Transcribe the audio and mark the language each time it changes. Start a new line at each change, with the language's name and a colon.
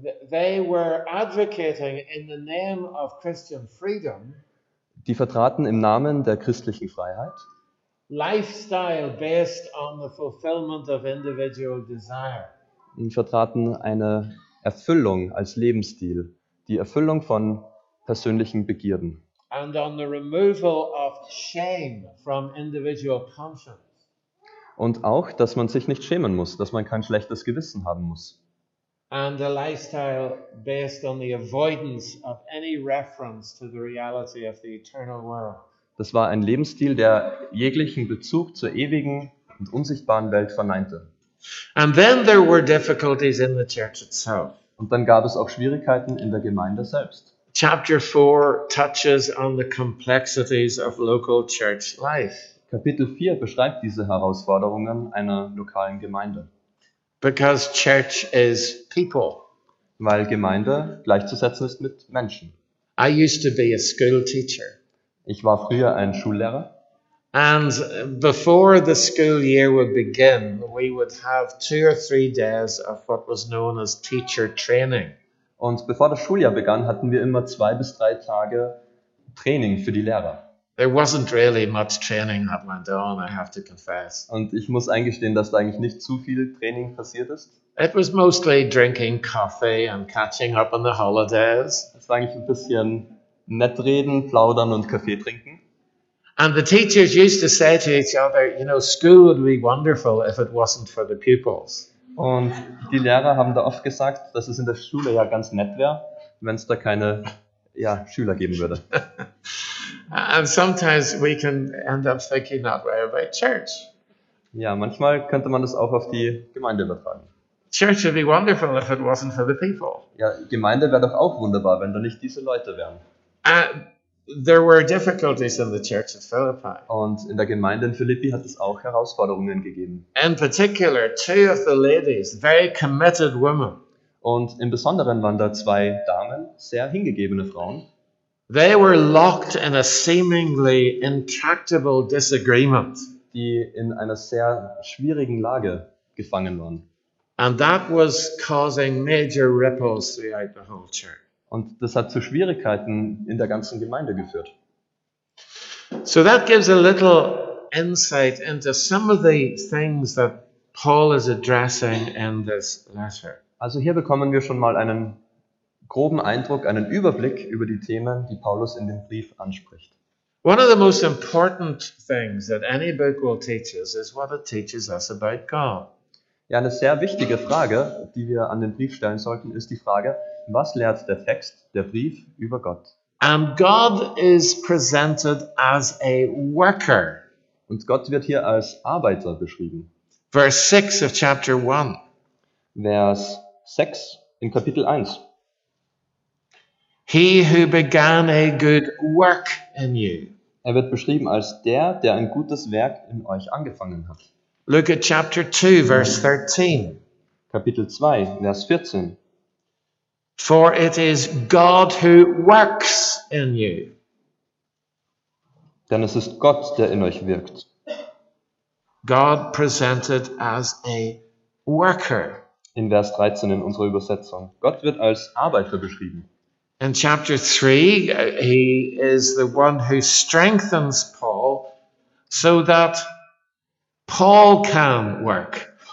English: They were advocating in the name of Christian freedom.
German: Die vertraten im Namen der christlichen Freiheit
English: lifestyle based on the fulfillment of individual desire.
German: Und vertraten eine Erfüllung als Lebensstil, die Erfüllung von persönlichen Begierden.
English: And on the removal of shame from individual conscience.
German: Und auch, dass man sich nicht schämen muss, dass man kein schlechtes Gewissen haben muss.
English: And a lifestyle based on the avoidance of any reference to the reality of the eternal world.
German: Das war ein Lebensstil, der jeglichen Bezug zur ewigen und unsichtbaren Welt verneinte.
English: And then there were difficulties in the church itself.
German: Und dann gab es auch Schwierigkeiten in der Gemeinde selbst.
English: Chapter 4 touches on the complexities of local church life.
German: Kapitel 4 beschreibt diese Herausforderungen einer lokalen Gemeinde.
English: Because church is people.
German: Weil Gemeinde gleichzusetzen ist mit Menschen.
English: I used to be a school teacher.
German: Ich war früher ein Schullehrer.
English: And before the school year would begin, we would have 2 or 3 days of what was known as teacher training.
German: Und bevor das Schuljahr begann, hatten wir immer 2 bis 3 Tage Training für die Lehrer.
English: There wasn't really much training that went on, I have to confess.
German: Und ich muss eingestehen, dass da eigentlich nicht zu viel Training passiert ist.
English: It was mostly drinking coffee and catching up on the holidays.
German: Es war eigentlich ein bisschen nett reden, plaudern und Kaffee trinken.
English: And the teachers used to say to each other, you know, school would be wonderful if it wasn't for the pupils.
German: Und die Lehrer haben da oft gesagt, dass es in der Schule ja ganz nett wäre, wenn es da keine Schüler geben würde.
English: And sometimes we can end up thinking that way about church.
German: Ja, manchmal könnte man das auch auf die Gemeinde übertragen.
English: Church would be wonderful if it wasn't for the people.
German: Ja, Gemeinde wäre doch auch wunderbar, wenn da nicht diese Leute wären.
English: There were difficulties in the church at Philippi.
German: Und in der Gemeinde in Philippi hat es auch Herausforderungen gegeben.
English: In particular, 2 of the ladies, very committed women.
German: Und im Besonderen waren da 2 Damen, sehr hingegebene Frauen.
English: They were locked in a seemingly intractable disagreement.
German: die in einer sehr schwierigen Lage gefangen waren.
English: And that was causing major ripples throughout the whole church.
German: Und das hat zu Schwierigkeiten in der ganzen Gemeinde geführt.
English: So that gives a little insight into some of the things that Paul is addressing in this letter.
German: Also hier bekommen wir schon mal einen groben Eindruck, einen Überblick über die Themen, die Paulus in dem Brief anspricht.
English: One of the most important things that any book will teach us is what it teaches us about God.
German: Ja, eine sehr wichtige Frage, die wir an den Brief stellen sollten, ist die Frage, was lehrt der Text, der Brief über Gott?
English: And God is presented as a worker.
German: Und Gott wird hier als Arbeiter beschrieben.
English: Verse 6 of chapter 1.
German: Vers 6 in Kapitel 1.
English: He who began a good work in you.
German: Er wird beschrieben als der, der ein gutes Werk in euch angefangen hat.
English: Look at chapter 2, verse 13.
German: Kapitel 2, Vers 14.
English: For it is God who works in you.
German: Denn es ist Gott, der in euch wirkt.
English: God presented as a worker.
German: In Vers 13 in unserer Übersetzung. Gott wird als Arbeiter beschrieben.
English: In chapter 3, he is the one who strengthens Paul so that Paul can work.